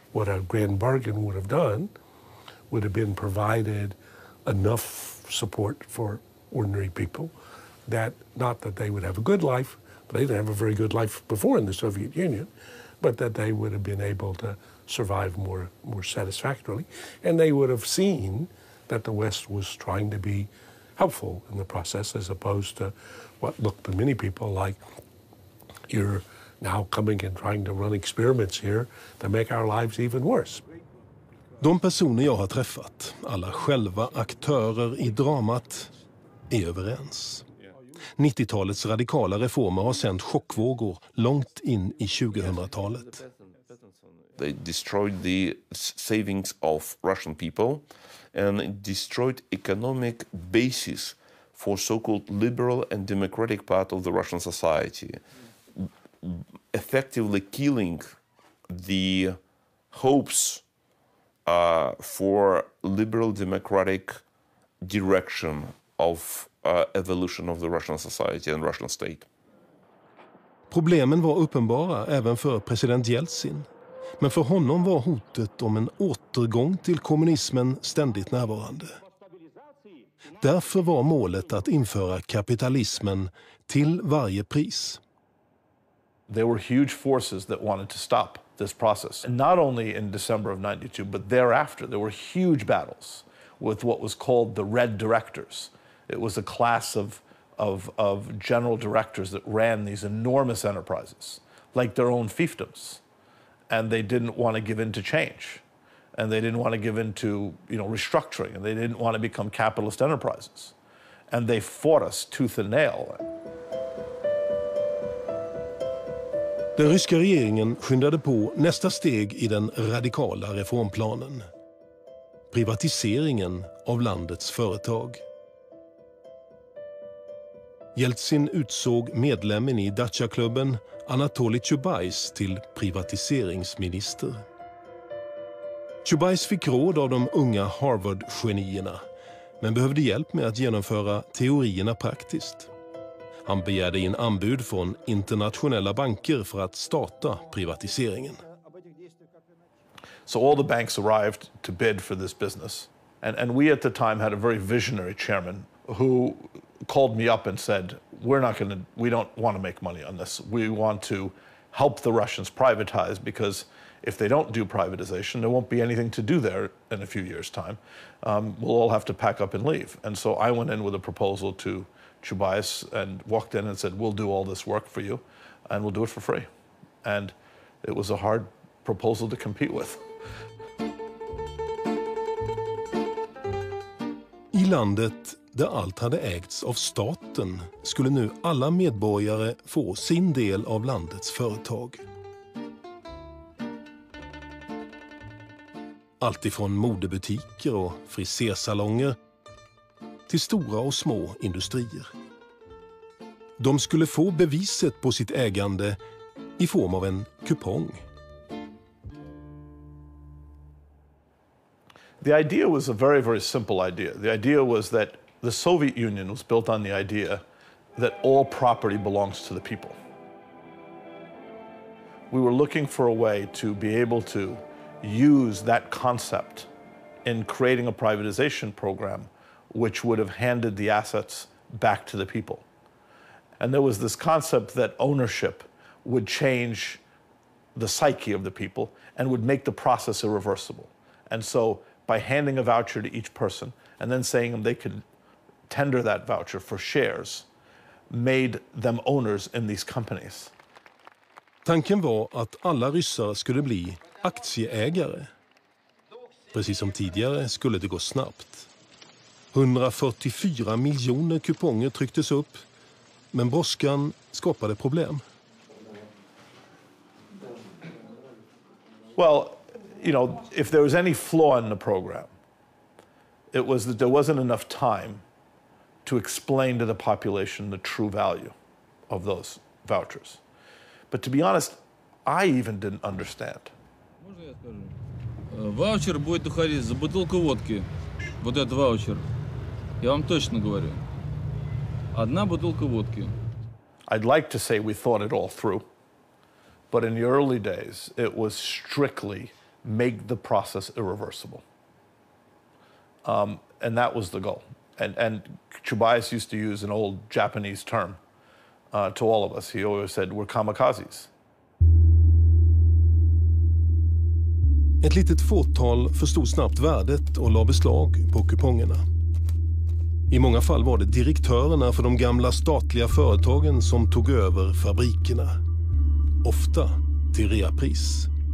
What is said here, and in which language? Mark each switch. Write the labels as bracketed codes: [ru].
[en] What a grand bargain would have done would have been provided enough support for ordinary people that not that they would have a good life, but they didn't have a very good life before in the Soviet Union, but that they would have been able to survive more satisfactorily. And they would have seen that the West was trying to be helpful in the process as opposed to what looked to many people like you're now coming and trying to run experiments here to make our lives even worse. [sv] De personer jag har träffat, alla själva aktörer i dramat, är överens. 90-talets radikala reformer har sänt chockvågor långt in i 2000-talet. [en] They destroyed the savings of Russian people and destroyed economic basis for so-called liberal and democratic part of the Russian society, effectively killing the hopes for liberal democratic direction of evolution of the Russian society and Russian state. [sv] Problemen var uppenbara även för president Jeltsin. Men för honom var hotet om en återgång till kommunismen ständigt närvarande. Därför var målet att införa kapitalismen till varje pris. [en] There were huge forces that wanted to stop this process. And not only in December of 92, but thereafter there were huge battles with what was called the Red Directors. It was a class of general directors that ran these enormous enterprises, like their own fiefdoms. And they didn't want to give in to change. And they didn't want to give in to, you know, restructuring. And they didn't want to become capitalist enterprises. And they fought us tooth and nail. [sv] Den ryska regeringen skyndade på nästa steg i den radikala reformplanen. Privatiseringen av landets företag. Jeltsin utsåg medlemmen i Dacia-klubben Anatoly Chubais till privatiseringsminister. Chubais fick råd av de unga Harvard-genierna, men behövde hjälp med att genomföra teorierna praktiskt. Han begärde in anbud från internationella banker för att starta privatiseringen. [en] So all the banks arrived to bid for this business. And we at the time had a very visionary chairman who called me up and said, we don't want to make money on this. We want to help the Russians privatize, because if they don't do privatization, there won't be anything to do there in a few years' time. We'll all have to pack up and leave. And so I went in with a proposal to Chubais and walked in and said, we'll do all this work for you and we'll do it for free. And it was a hard proposal to compete with. [sv] I landet där allt hade ägts av staten skulle nu alla medborgare få sin del av landets företag. Alltifrån modebutiker och frisersalonger till stora och små industrier. De skulle få beviset på sitt ägande i form av en kupong. [en] The idea was a very, very simple idea. The idea was that the Soviet Union was built on the idea that all property belongs to the people. We were looking for a way to be able to use that concept in creating a privatization program which would have handed the assets back to the people. And there was this concept that ownership would change the psyche of the people and would make the process irreversible. And so by handing a voucher to each person and then saying they could tender that voucher for shares made them owners in these companies. [sv] Tanken var att alla ryssar skulle bli aktieägare. Precis som tidigare skulle det gå snabbt. 144 miljoner kuponger trycktes upp, men brådskan skapade problem. [en] Well, you know, if there was any flaw in the program, it was that there wasn't enough time to explain to the population the true value of those vouchers. But to be honest, I even didn't understand. [ru] Ваучер будет уходить за бутылку водки. Вот этот ваучер. Я вам точно говорю. Одна бутылка водки. [en] I'd like to say we thought it all through, but in the early days, it was strictly make the process irreversible. And that was the goal. And Chubais used to use an old Japanese term to all of us. He always said, we're kamikazes. [sv] Ett litet fåtal förstod snabbt värdet och la beslag på kupongerna. I många fall var det direktörerna för de gamla statliga företagen som tog över fabrikerna. Ofta till reapris.